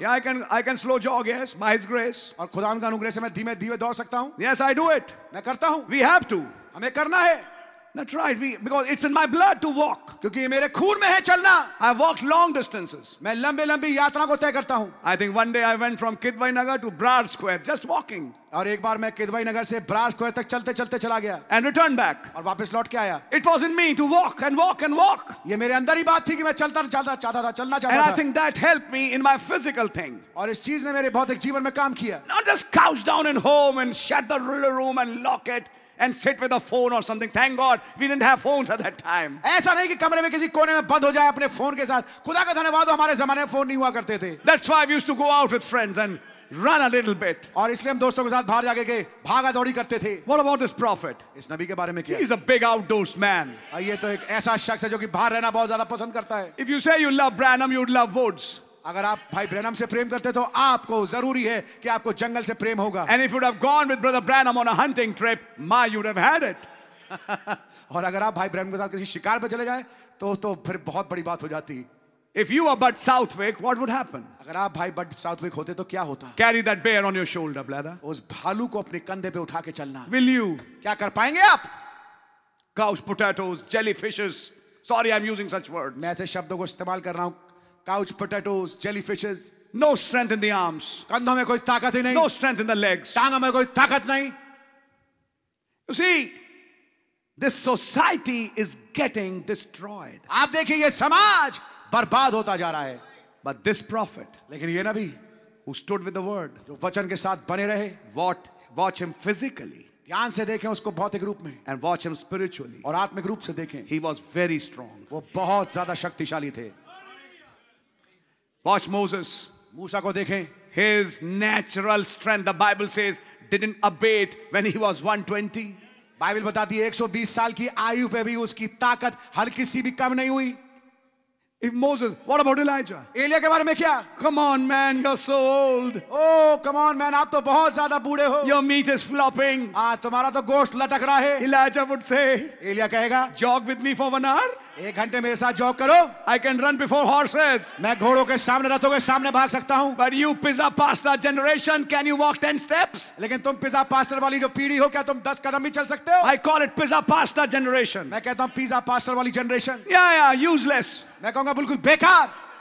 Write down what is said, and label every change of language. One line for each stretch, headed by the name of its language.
English: Yeah, I can slow jog, yes, by His grace.
Hindi: और खुदा का अनुग्रह से मैं धीमे धीमे दौड़ सकता हूँ.
English: Yes, I do it.
Hindi: मैं करता हूँ.
English: We have to.
Hindi: हमें करना है.
English: That's right. Because it's in my blood to walk.
Hindi: क्योंकि ये मेरे खून में है चलना.
English: I walked long distances.
Hindi: मैं लंबी यात्रा को तय करता हूँ.
English: I think one day I went from Kidwai Nagar to Brar Square just walking.
Hindi: और एक बार मैं Kidwai Nagar से Brar Square तक चलते चला गया.
English: And returned back.
Hindi: और वापस लौट के आया.
English: It was in me to walk and walk and walk.
Hindi: ये मेरे अंदर ही बात थी कि मैं चलना चाहता था.
English: And I think that helped me in my physical thing.
Hindi: और इस चीज़ ने मेरे भौतिक जीवन में काम किया.
English: Not just couch down in home and shut the room and lock it. And sit with a phone or something. Thank God we didn't have phones at that time.
Hindi: ऐसा नहीं कि कमरे में किसी कोने में बंद हो जाए अपने फोन के साथ. खुदा का धन्यवाद हमारे जमाने में फोन नहीं हुआ करते थे.
English: That's why we used to go out with friends and run a little bit.
Hindi: और इसलिए हम दोस्तों के साथ बाहर जाके भागा दौड़ी करते थे.
English: What about this prophet?
Hindi: इस नबी के बारे में क्या?
English: He is a big outdoors man.
Hindi: ये तो एक ऐसा शख्स है जो कि बाहर रहना बहुत ज्यादा पसंद करता है.
English: If you say you love Branham, you'd love woods.
Hindi: अगर आप भाई ब्रैनम से प्रेम करते तो आपको जरूरी है कि आपको जंगल से प्रेम होगा.
English: And if you'd have gone with brother Branham on a hunting trip, my, you'd have had it.
Hindi: और अगर आप भाई ब्रैनम के साथ किसी शिकार पर चले जाएं, तो फिर बहुत बड़ी बात हो जाती.
English: If you were Bud Southwick, what would happen?
Hindi: अगर आप भाई बड साउथविक होते तो क्या होता?
English: Carry that bear on your shoulder, brother.
Hindi: उस भालू को अपने कंधे पे उठा के चलना.
English: Will you?
Hindi: क्या कर पाएंगे आप?
English: Couch potatoes, jellyfishes. Sorry, I'm using such words.
Hindi: मैं ऐसे शब्दों को इस्तेमाल कर रहा हूँ.
English: Couch potatoes, jellyfishes. No strength in the arms.
Hindi: कंधों में कोई ताकत ही नहीं.
English: No strength in the legs.
Hindi: टांगों में कोई ताकत नहीं.
English: You see, this society is getting destroyed.
Hindi: आप देखिए ये समाज बर्बाद होता जा रहा है.
English: But this prophet,
Hindi: लेकिन ये नबी,
English: who stood with the word,
Hindi: जो वचन के साथ बने रहे,
English: watch him physically.
Hindi: ध्यान से देखें उसको भौतिक रूप में.
English: And watch him spiritually.
Hindi: और आत्मिक रूप से देखें.
English: He was very strong.
Hindi: वो बहुत ज्यादा शक्तिशाली थे.
English: Watch Moses.
Hindi: मूसा को देखें.
English: His natural strength, the Bible says, didn't abate when he was 120.
Hindi: Bible बताती है 120 साल की आयु पे भी उसकी ताकत हर किसी भी कम नहीं हुई.
English: If Moses, what about Elijah?
Hindi: Elia के बारे में क्या?
English: Come on, man, you're so old. Oh, come on, man,
Hindi: आप तो बहुत ज़्यादा बूढ़े हो.
English: Your meat is flopping.
Hindi: तुम्हारा तो गोश्त लटक रहा है.
English: Elijah would say.
Hindi: एलिया कहेगा.
English: Jog with me for 1 hour.
Hindi: एक घंटे मेरे साथ जॉग करो.
English: I can run before horses.
Hindi: मैं घोड़ों के सामने रथों के सामने भाग सकता हूँ.
English: But you pizza pasta generation, can you walk 10 steps?
Hindi: लेकिन तुम pizza pasta वाली जो पीढ़ी हो, क्या तुम 10 कदम भी चल सकते हो?
English: I call it pizza pasta generation.
Hindi: मैं कहता हूँ pizza pasta वाली generation.
English: Yeah, useless.
Hindi: मैं कहूँगा बिल्कुल बेकार.